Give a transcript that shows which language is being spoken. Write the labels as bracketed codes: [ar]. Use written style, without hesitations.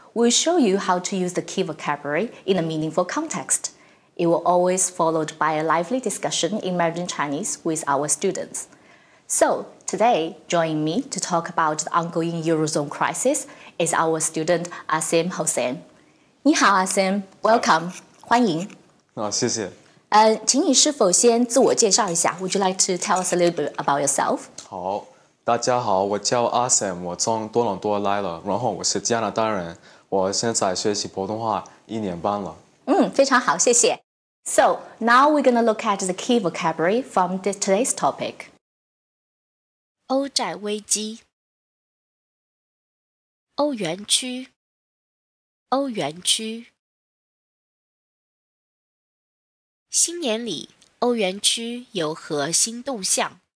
[en] We'll show you how to use the key vocabulary in a meaningful context. It will always followed by a lively discussion in Mandarin Chinese with our students. So, today, joining me to talk about the ongoing Eurozone crisis is our student Asim Hossein. [zh] 你好 Asim, welcome, 欢迎。谢谢。请你是否先自我介绍一下? [en] Would you like to tell us a little bit about yourself? [zh] 好,大家好,我叫 Asim, 我从多伦多来了,然后我是加拿大人,我现在学习普通话一年半了。非常好,谢谢。 [en] So, now we're going to look at the key vocabulary from today's topic. [zh] 欧债危机，欧元区，欧元区。新年里，欧元区有何新动向？